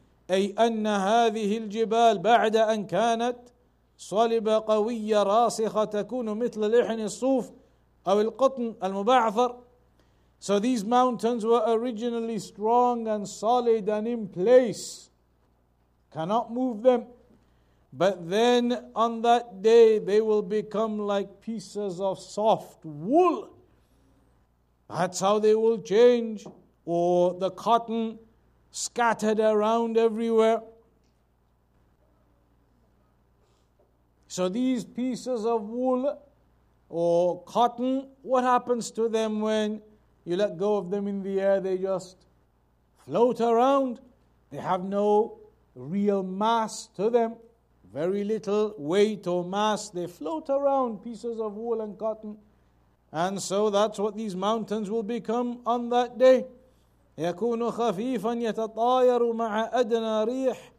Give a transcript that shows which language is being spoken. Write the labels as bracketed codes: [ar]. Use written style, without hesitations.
[ar] أي أن هذه الجبال بعد أن كانت صلبة قوية راسخة تكون مثل لحن الصوف أو القطن المبعثر. [en] So these mountains were originally strong and solid and in place. Cannot move them. But then on that day they will become like pieces of soft wool. That's how they will change. Or the cotton scattered around everywhere. So these pieces of wool or cotton, what happens to them when you let go of them in the air? They just float around. They have no real mass to them. Very little weight or mass. They float around, pieces of wool and cotton. And so that's what these mountains will become on that day. [ar] يكون خفيفا يتطاير مع أدنى ريح.